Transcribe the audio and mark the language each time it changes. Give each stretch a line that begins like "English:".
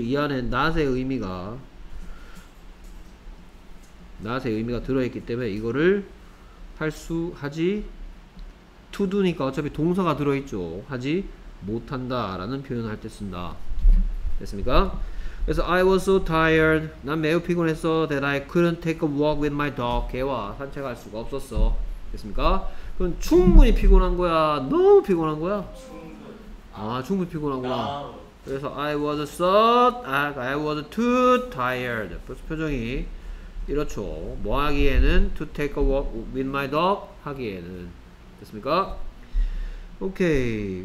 Korean: 이 안에 낫의 의미가 들어있기 때문에 이거를 할 수 하지 투두니까 어차피 동사가 들어있죠. 하지 못한다 라는 표현을 할 때 쓴다. 됐습니까? 그래서
English: I was so tired.
Korean: 난 매우 피곤했어.
English: That I couldn't take a walk with my dog.
Korean: 개와 산책할 수가 없었어. 됐습니까? 그건 충분히 피곤한 거야. 너무 피곤한 거야. 충분히 피곤한 거야. 그래서
English: I was too tired.
Korean: 벌써 표정이 이렇죠. 뭐 하기에는
English: to take a walk with my dog
Korean: 하기에는 됐습니까? 오케이.